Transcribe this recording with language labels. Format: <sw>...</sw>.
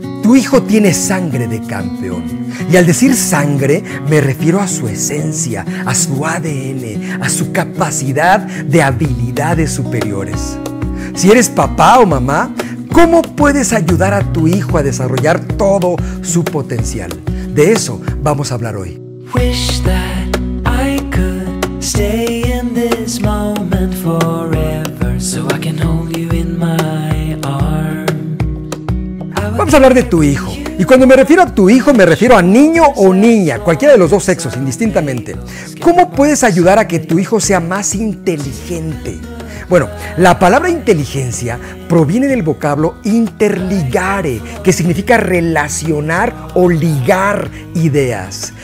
<es>Tu hijo tiene sangre de campeón. Y al decir sangre, me refiero a su esencia, a su ADN, a su capacidad de habilidades superiores. Si eres papá o mamá, ¿cómo puedes ayudar a tu hijo a desarrollar todo su potencial? De eso vamos a hablar hoy.</es> <en>Wish that I could stay in this moment forever so I can hold you in my arms.</en> <es>Vamos a hablar de tu hijo. Y cuando me refiero a tu hijo, me refiero a niño o niña, cualquiera de los dos sexos, indistintamente. ¿Cómo puedes ayudar a que tu hijo sea más inteligente? Bueno, la palabra inteligencia proviene del vocablo interligare, que significa relacionar o ligar ideas.</es>